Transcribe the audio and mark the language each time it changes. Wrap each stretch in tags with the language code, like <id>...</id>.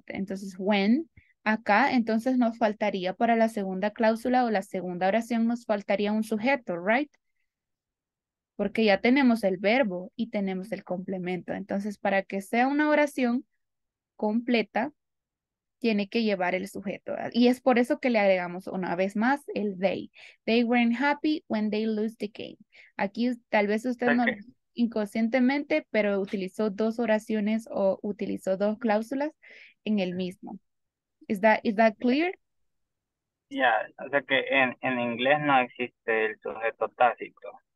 <es>Entonces, when, acá, entonces nos faltaría para la segunda cláusula o la segunda oración, nos faltaría un sujeto, right? Porque ya tenemos el verbo y tenemos el complemento. Entonces, para que sea una oración completa, tiene que llevar el sujeto. Y es por eso que le agregamos una vez más el they.</es> <en>They weren't happy when they lose the game.</en> <es>Aquí tal vez usted no, inconscientemente, pero utilizó dos oraciones o utilizó dos cláusulas en el mismo.</es> <en>Is that clear?</en> <es>Yeah, o sea que en inglés no existe el sujeto tácito.</es>